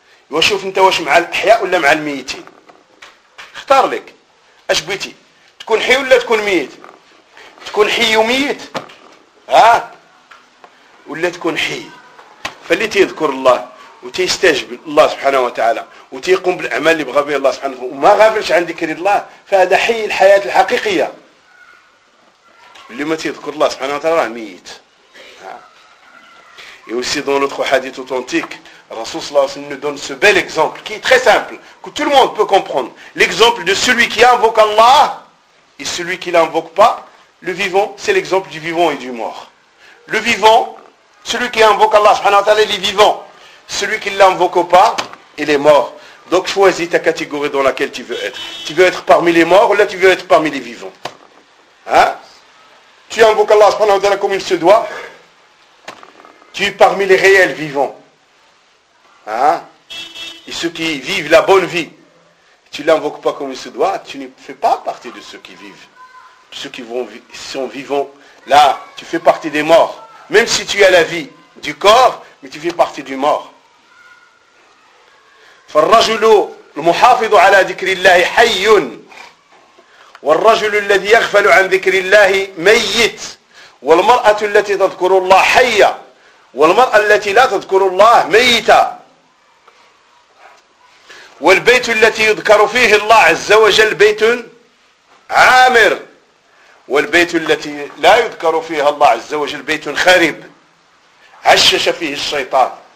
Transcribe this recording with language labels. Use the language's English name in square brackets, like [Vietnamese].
[Arabic] وشوف انت واش مع الاحياء ولا مع الميتين اختار لك اش بغيتي تكون حي ولا تكون ميت تكون حي وميت ها ولا تكون حي فاللي تيذكر الله وتيستجب الله سبحانه وتعالى وتيقوم بالأعمال اللي بغى بها الله سبحانه وما غافلش عن ذكر الله فهذا حي الحياة الحقيقية اللي ما تيذكر الله سبحانه وتعالى ميت ها. [French] يوسي دون لطخ حديث أوتنتيك Rasoul sallallahu alayhi wa sallam nous donne ce bel exemple qui est très simple, que tout le monde peut comprendre. L'exemple de celui qui invoque Allah et celui qui ne l'invoque pas, le vivant, c'est l'exemple du vivant et du mort. Le vivant, celui qui invoque Allah subhanahu wa ta'ala, il est vivant. Celui qui ne l'invoque pas, il est mort. Donc choisis ta catégorie dans laquelle tu veux être. Tu veux être parmi les morts ou là tu veux être parmi les vivants. Hein? Tu invoques Allah subhanahu wa ta'ala comme il se doit. Tu es parmi les réels vivants. Hein? Et ceux qui vivent la bonne vie. Tu ne l'invoques pas comme il se doit, tu ne fais pas partie de ceux qui vivent. Ceux qui vont, sont vivants, là, tu fais partie des morts. Même si tu as la vie du corps, mais tu fais partie du mort. [Arabic] فالرجل المحافظ على ذكر الله حي والرجل الذي يغفل عن ذكر الله ميت والمرأة التي تذكر الله حية والمرأة التي لا تذكر الله ميتة والبيت التي يذكر فيه الله عز وجل بيت عامر والبيت التي لا يذكر فيها الله عز وجل بيت خارب عشش فيه الشيطان